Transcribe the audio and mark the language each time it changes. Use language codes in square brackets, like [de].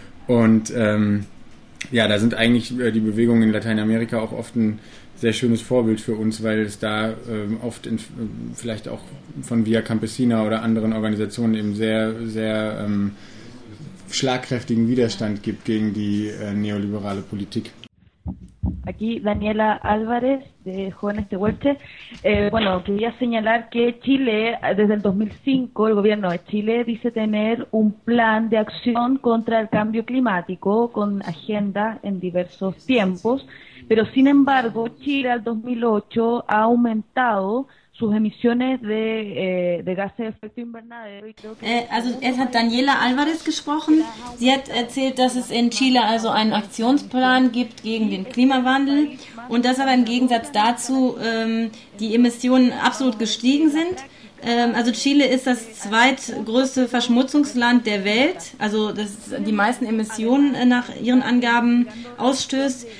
[de] Und ja, da sind eigentlich die Bewegungen in Lateinamerika auch oft ein sehr schönes Vorbild für uns, weil es da oft in, vielleicht auch von Via Campesina oder anderen Organisationen eben sehr, sehr schlagkräftigen Widerstand gibt gegen die neoliberale Politik. [es] Aquí Daniela Álvarez, de Jóvenes de Huelche. Bueno, quería señalar que Chile, desde el 2005, el gobierno de Chile dice tener un plan de acción contra el cambio climático con agenda en diversos tiempos, pero sin embargo, Chile al 2008 ha aumentado sus emisiones de gases de efecto invernadero. [de] Also, es hat Daniela Álvarez gesprochen. Sie hat erzählt, dass es in Chile also einen Aktionsplan gibt gegen den Klimawandel und dass aber im Gegensatz dazu die Emissionen absolut gestiegen sind. Also Chile ist das zweitgrößte Verschmutzungsland der Welt, also das die meisten Emissionen nach ihren Angaben ausstößt.